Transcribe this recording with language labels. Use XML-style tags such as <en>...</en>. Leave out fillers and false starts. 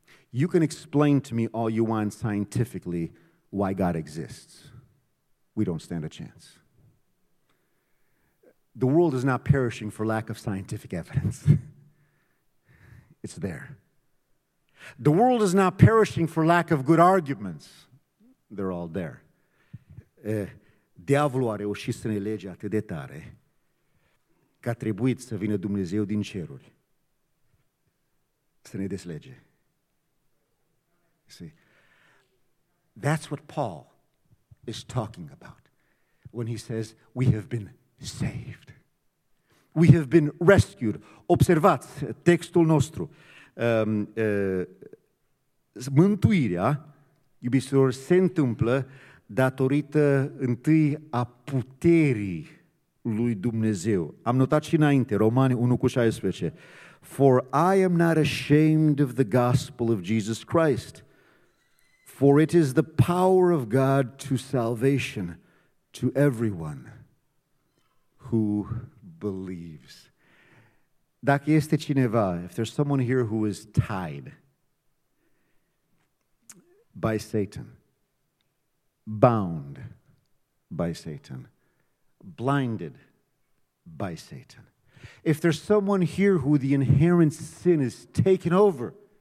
<en>You can explain to me all you want scientifically why God exists. We don't stand a chance. The world is not perishing for lack of scientific evidence. It's there. The world is not perishing for lack of good arguments. They're all there.</en> <ro>Diavolul a reușit să ne lege atât de tare că a trebuit să vină Dumnezeu din ceruri să ne deslege.</ro> <en>See? That's what Paul is talking about when he says, we have been saved. We have been rescued.</en> <ro>Observați textul nostru. Mântuirea, iubiților, se întâmplă datorită întâi a puterii lui Dumnezeu. Am notat și înainte, Romani 1:16.</ro> <en>For I am not ashamed of the gospel of Jesus Christ, for it is the power of God to salvation to everyone who believes.</en> <ro>Dacă este cineva,</ro> <en>if there's someone here who is tied by Satan, bound by Satan, blinded by Satan, if there's someone here who the inherent sin is taken over,</en>